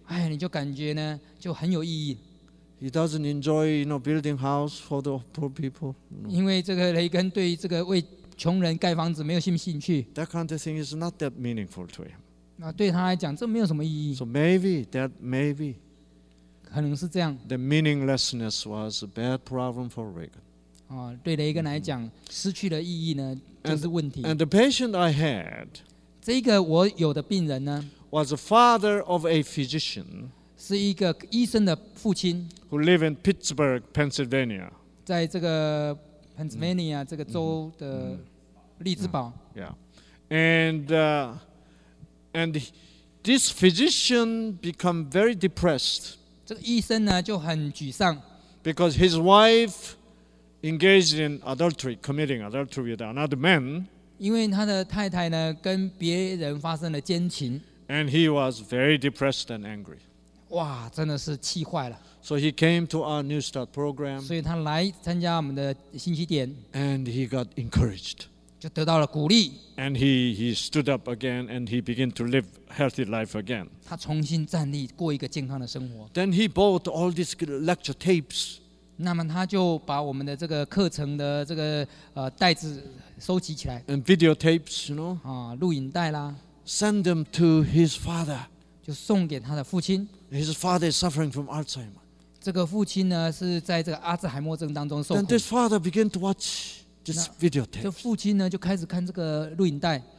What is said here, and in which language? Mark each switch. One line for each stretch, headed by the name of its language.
Chinese: 你就感觉呢，就很有意义。
English: He doesn't enjoy, you know, building house for the poor people.
Chinese: 因为这个雷根对这个为穷人盖房子没有什么兴趣。
English: That kind of thing is not that meaningful to him.
Chinese: 对他来讲，这没有什么意义。
English: So maybe that maybe,
Chinese: 可能是这样。
English: The meaninglessness was a bad problem for Reagan.
Chinese: 对雷根来讲， mm-hmm. 失去了意义呢，就是问题。
English: And the patient I had,
Chinese: 这个我有的病人呢
English: ，was a father of a physician,
Chinese: 是一个医生的父亲
English: ，who live in Pittsburgh, Pennsylvania.
Chinese: 在这个 Pennsylvania、mm-hmm. 这个州的利兹堡。 Mm-hmm.
English: Yeah, and. And this physician became very depressed.
Chinese: 这个医生呢就很沮丧。
English: Because his wife engaged in adultery, committing adultery with another man.
Chinese: 因为他的太太呢跟别人发生了奸情。
English: And he was very depressed and angry.
Chinese: 哇，真的是气坏了。
English: So he came to our New Start program.
Chinese: 所以他来参加我们的星期天。
English: And he got encouraged.
Chinese: 就得到了鼓励。
English: And he stood up again and he began to live healthy life again.
Chinese: 他重新站立，过一个健康的生活。
English: Then he bought all these lecture tapes.
Chinese: 那么他就把我们的这个课程的这个袋子收集起来。
English: And videotapes, you know.
Chinese: 啊，录影带啦。
English: Send them to his father.
Chinese: 就送给他的父亲。
English: His father is suffering from Alzheimer.
Chinese: 这个父亲呢是在这个阿兹海默症当中受苦。
English: Then this father began to watch this videotape.
Chinese: 这父亲呢就开始看这个录影带。